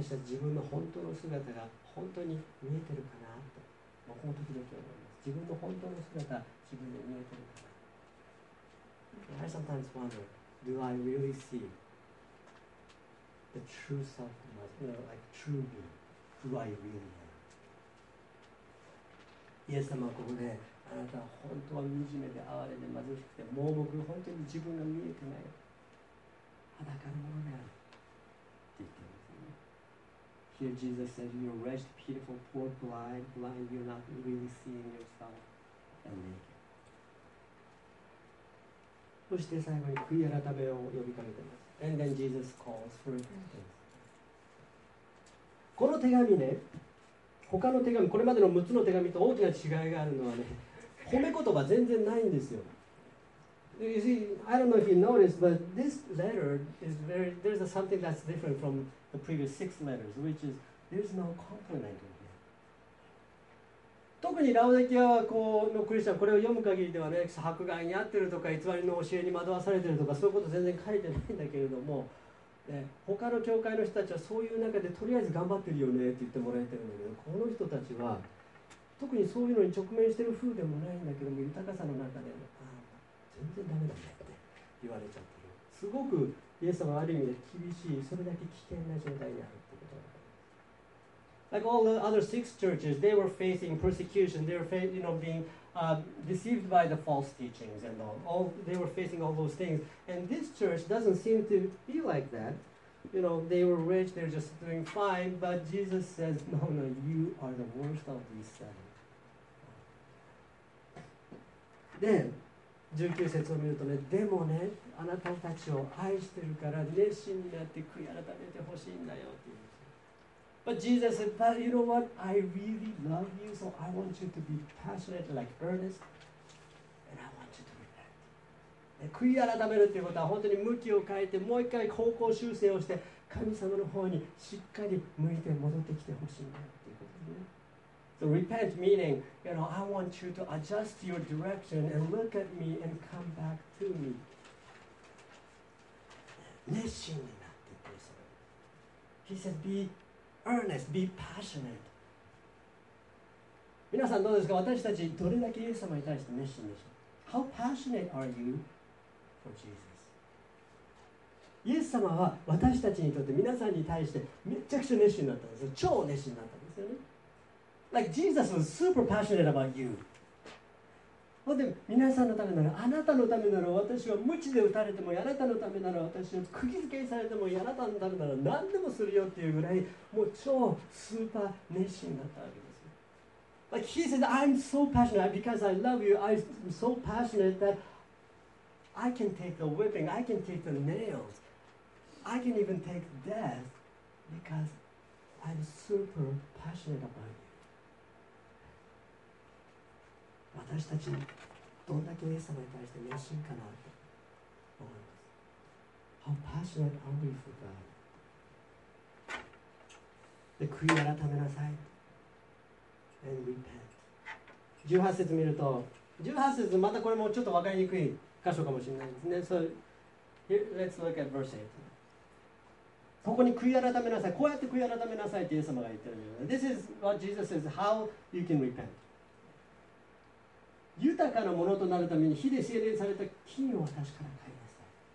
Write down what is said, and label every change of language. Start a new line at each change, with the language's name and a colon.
Japanese: 私たち自分の本当の姿が本当に見えてるかなと、僕も時々思います。自分の本当の姿、自分で見えてるかな。
English: I sometimes wonder, do I really see the true self, like true me, who I really am?
Japanese: イエス様はここで、あなたは本当は惨めで哀れで貧しくて盲目、本当に自分が見えてない裸のものであるって言ってるんですね。
English: Here Jesus said, you're wretched, pitiful, poor, blind, blind, you're not really seeing yourself and naked.
Japanese: そして最後に悔い改めを呼びかけています。
English: And then Jesus calls for repentance.
Japanese: この手紙ね、他の手紙、これまでの6つの手紙と大きな違いがあるのはね、褒め言葉全然ないんですよ。
English: You see, I don't know if you noticed, but this letter is very, there's a something that's different from the previous six letters, which is, there's no compliment in here.
Japanese: 特にラオデキアのクリスチャン、これを読む限りではね、迫害に遭ってるとか、偽りの教えに惑わされてるとか、そういうこと全然書いてないんだけれども、ね、他の教会の人たちはそういう中でとりあえず頑張ってるよねって言ってもらえてるんだけど、この人たちは特にそういうのに直面してる風でもないんだけども、豊かさの中で、ね、あ、全然ダメだねって言われちゃってる。すごくイエス様はある意味で厳しい、それだけ危険な状態にあるってこと。
English: Like all the other six churches, they were facing persecution. They were you know, beingdeceived by the false teachings and all they were facing all those things. And this church doesn't seem to be like that. You know, they were rich, they're just doing fine, but Jesus says, no, no, you are the worst of these seven. Then,
Japanese: 19節を見るとね、でもね、あなたたちを愛してるから熱心になって悔い改めてほしいんだよっていう。
English: But Jesus said, but you know what? I really love you, so I want you to be passionate like earnest, and I want you to repent.
Japanese: 悔い改めるということは、本当に向きを変えて、もう一回方向修正をして、神様の方にしっかり向いて戻ってきてほしいんだということですね。
English: So repent meaning, you know, I want you to adjust your direction and look at me and come back to me.
Japanese: 熱心になってくるそれ。
English: He said, beEarnest, be passionate.
Japanese: 皆さんどうですか？私たちどれだけイエス様に対して熱心でしょう？
English: How passionate are you for Jesus?
Japanese: イエス様は私たちにとって皆さんに対してめちゃくちゃ熱心だったんですよ。超熱心だったんですよね。
English: Like Jesus was super passionate about you.
Japanese: でも皆さんのためなら、あなたのためなら、私は鞭で打たれてもあなたのためなら、私は釘付けされてもあなたのためなら何でもするよっていうぐらい、もう超スーパー熱心だったわけですよ。
English: Like he said, I'm so passionate because I love you. I'm so passionate that I can take the whipping, I can take the nails, I can even take death because I'm super passionate about you.
Japanese: 私たちどんだけイエス様に対して熱心かなと思います。
English: How passionate are we for God?
Japanese: で、悔い改めなさい
English: And repent.
Japanese: 18節見ると、18節、またこれもちょっと分かりにくい箇所かもしれないですね。
English: So here, let's look at verse 8.
Japanese: ここに悔い改めなさい、こうやって悔い改めなさいってイエス様が言ってるよ。
English: This is what Jesus says, how you can repent.
Japanese: 豊かなものとなるために火で精錬された金を私から買いなさい。